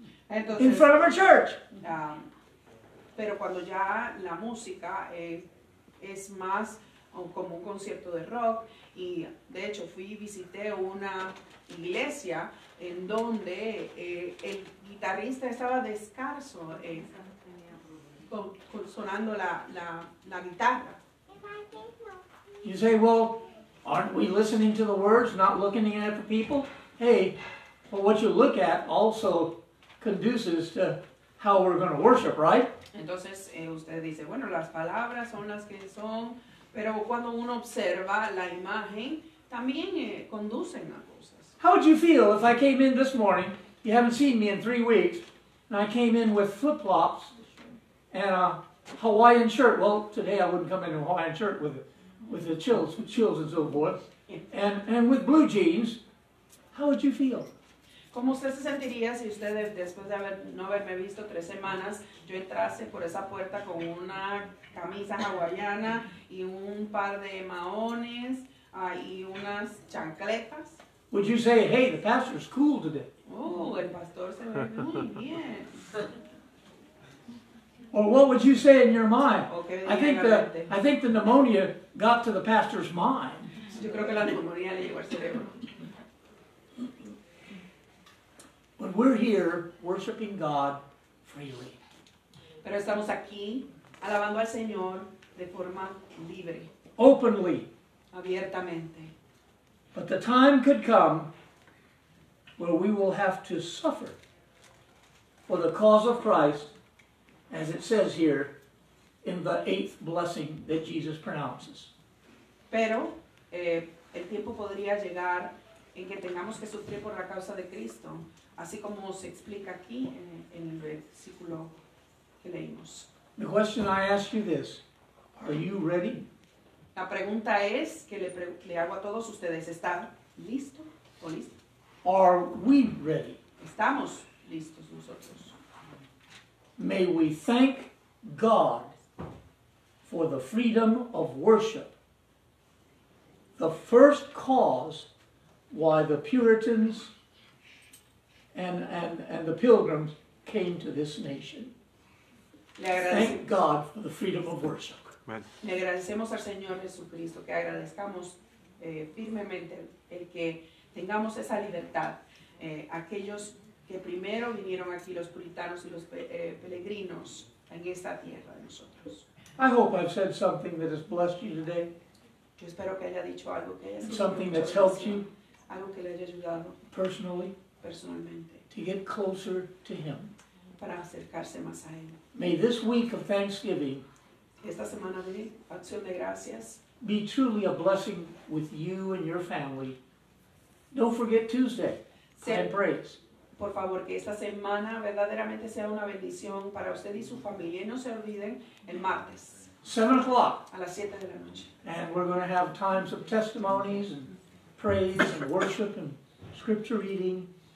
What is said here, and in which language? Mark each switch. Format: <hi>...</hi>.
<es>Entonces,</es> <en>in front of a church.</en> <es>Pero cuando ya la música es más como un concierto de rock, y de hecho fui y visité una iglesia en donde el guitarrista estaba descalzo sonando la guitarra.</es> <en>You say, well, aren't we listening to the words, not looking at the people? Hey, well, what you look at also conduces to how we're going to worship, right?</en> <es>Entonces, usted dice, bueno, las palabras son las que son, pero cuando uno observa la imagen, también conducen a cosas.</es> <en>How would you feel if I came in this morning, you haven't seen me in 3 weeks, and I came in with flip-flops and a Hawaiian shirt? Well, today I wouldn't come in a Hawaiian shirt with the chills and so forth, and with blue jeans, how would you feel?</en> <es>¿Cómo usted se sentiría si usted, después de no haberme visto tres semanas, yo entrase por esa puerta con una camisa hawaiana y un par de mahones y unas chancletas?</es> <en>Would you say, hey, the pastor's cool today?</en> <es>Oh, el pastor se ve muy bien.</es> <en>Or what would you say in your mind? Okay, I think the pneumonia got to the pastor's mind.</en> <es>Yo creo que la pneumonía le llegó al cerebro.</es> <en>But we're here worshiping God freely.</en> <es>Pero estamos aquí alabando al Señor de forma libre.</es> <en>Openly.</en> <es>Abiertamente.</es> <en>But the time could come where we will have to suffer for the cause of Christ, as it says here in the eighth blessing that Jesus pronounces.</en> <es>Pero el tiempo podría llegar en que tengamos que sufrir por la causa de Cristo, así como se explica aquí en el versículo que leímos.</es> <en>The question I ask you this, are you ready?</en> <es>La pregunta es que le hago a todos ustedes, ¿está listo o lista?</es> <en>Are we ready?</en> <es>¿Estamos listos nosotros?</es> <en>May we thank God for the freedom of worship. The first cause why the Puritans and the Pilgrims came to this nation. Thank God for the freedom of worship.</en> <es>Le agradecemos al Señor Jesucristo, que agradezcamos firmemente el que tengamos esa libertad. Aquellos que primero vinieron aquí, los puritanos y los peregrinos en esta tierra de nosotros.</es> <en>I hope I've said something that has blessed you today.</en> <es>Yo espero que haya dicho algo que haya sido</es> <en>something that's helped you.</en> <es>Algo que le haya ayudado.</es> <en>Personally.</en> <es>Personalmente.</es> <en>To get closer to Him.</en> <es>Para acercarse más a Él.</es> <en>May this week of Thanksgiving.</en> <es>Esta semana de Acción de Gracias.</es> <en>Be truly a blessing with you and your family. Don't forget Tuesday. Plant breaks.</en> <es>Por favor, que esta semana verdaderamente sea una bendición para usted y su familia. No se olviden el martes.</es> <en>7:00.</en> <es>A las 7 de la noche.</es> <en>And we're going to have times of testimonies and praise and worship and scripture reading.</en>